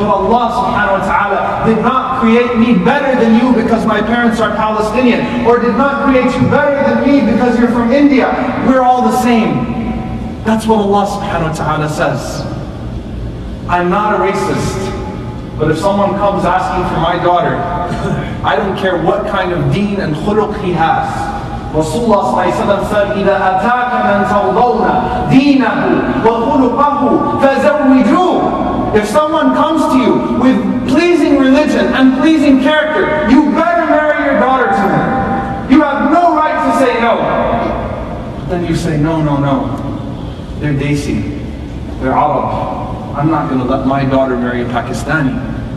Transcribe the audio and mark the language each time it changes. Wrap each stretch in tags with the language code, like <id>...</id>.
<en>But Allah subhanahu wa ta'ala did not create me better than you because my parents are Palestinian, or did not create you better than me because you're from India. We're all the same. That's what Allah subhanahu wa ta'ala says. I'm not a racist, but if someone comes asking for my daughter, I don't care what kind of deen and khuluq he has. Rasulullah said,</en> <ar>إِذَا أَتَاكَ مَنْ تَوْضَوْنَ دِينَهُ وَخُلُقَهُ فَزَوِّجُوهُ.</ar> <en>If someone comes to you with pleasing religion and pleasing character, you better marry your daughter to him. You have no right to say no. But then you say, no, no, no. They're Desi. They're Arab. I'm not going to let my daughter marry a Pakistani.</en>